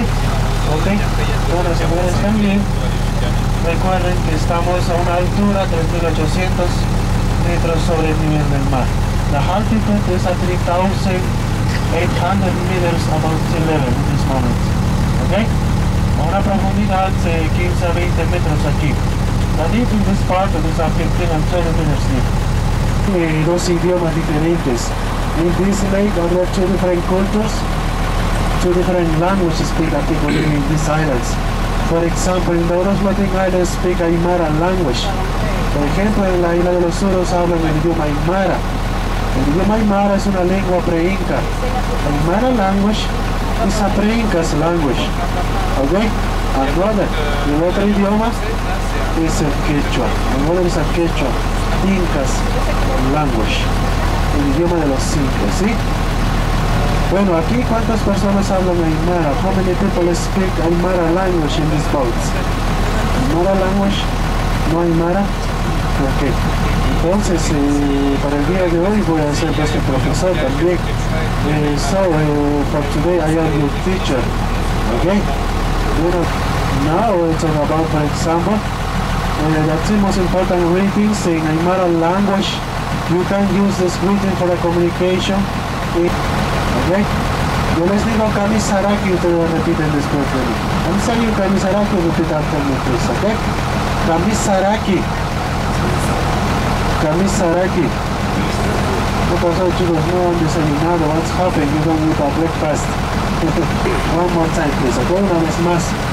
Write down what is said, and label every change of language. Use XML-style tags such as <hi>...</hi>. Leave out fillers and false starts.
<es>Ok, bueno, si ustedes también recuerden que estamos a una altura de 3.800 metros sobre el nivel del mar. La altitud es a 3.800 metros</es> <en>above sea level</en> <es>en este momento. Ok, a una profundidad de 15 a 20 metros aquí.</es> <en>La deep in this part is a 15 and 20 meters deep.</en> <es>Dos idiomas diferentes.</es> <en>In this lake, there are 2 different cultures. 2 different languages speak a people in these islands. For example, in the Orosmatic Islands speak Aymara language.</en> <es>Por ejemplo, en la isla de los suros hablan el idioma Aymara. El idioma Aymara es una lengua pre-inca.</es> <en>Aymara language is a pre-inca's language. Okay? Another,</en> <es>el otro idioma es el Quechua.</es> <en>Another is a Quechua, Incas language.</en> <es>El idioma de los incas, ¿sí? Bueno, aquí ¿cuántas personas hablan Aymara?</es> <en>How many people speak Aymara language in these boats? Aymara language, no Aymara. Ok.</en> <es>Entonces, para el día de hoy voy a ser vuestro profesor también.</es> <en>For today I am your teacher. Ok. Bueno, now we'll talk about, for example, the two most important greetings in Aymara language. You can use this greeting for the communication. Okay.</en> <es>Yo les digo Kamisaraki y ustedes lo repiten después de mí.</es> <en>I'm saying Kamisaraki, repeat after me, please, ok?</en> <ay>Kamisaraki.</ay> <es>Kamisaraki. ¿Qué pasó, chicos? No han desayunado.</es> <en>What's happening? You don't need a breakfast. One more time, please, ok?</en> <es>Una vez más.</es>